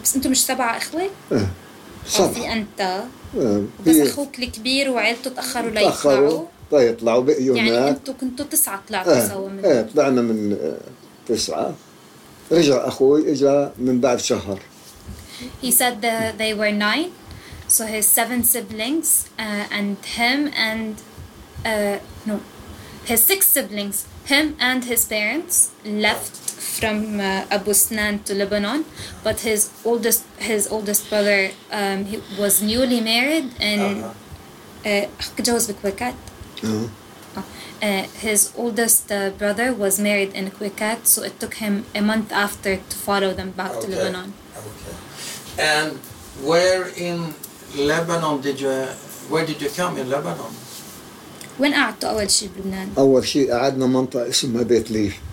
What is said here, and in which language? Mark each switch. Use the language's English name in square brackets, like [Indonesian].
[Arabic] بس أنتوا مش سبعة إخوة؟ إيه سبعة. في أنت بس أخوك الكبير وعيلته تأخروا ليطلعوا؟ تأخروا ليطلعوا بقيوا يعني هناك. أنتوا كنتوا تسعة طلعتوا سوا من إيه طلعنا من تسعة رجع أخوي إجا من بعد شهر. [English] He said that they were nine, so his seven siblings and him and no, his six siblings, him and his parents left from Abu Sinan to Lebanon, but his oldest brother he was newly married and [Arabic] جوز بكويكات. [English] His oldest brother was married in Kwikat, so it took him a month after to follow them back to Lebanon. Okay. And where in Lebanon did you, where did you come in Lebanon? [Arabic] وين قعدتوا أول شيء بلبنان؟ أول شيء قعدنا منطقة اسمها بيت لي.